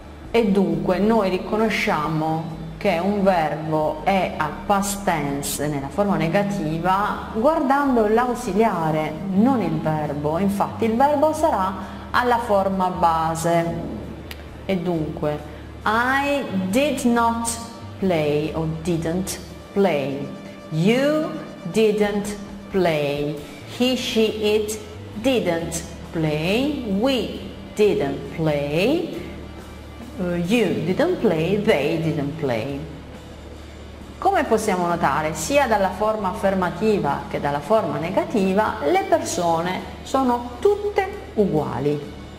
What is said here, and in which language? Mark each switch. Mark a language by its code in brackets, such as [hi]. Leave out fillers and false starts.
[it] E dunque noi riconosciamo che un verbo è al past tense nella forma negativa guardando l'ausiliare, non il verbo. Infatti il verbo sarà alla forma base. E dunque, [en] I did not play [it] o [en] didn't play. You didn't play. He, she, it didn't play. We didn't play. You didn't play, they didn't play. [it] Come possiamo notare, sia dalla forma affermativa che dalla forma negativa, le persone sono tutte uguali.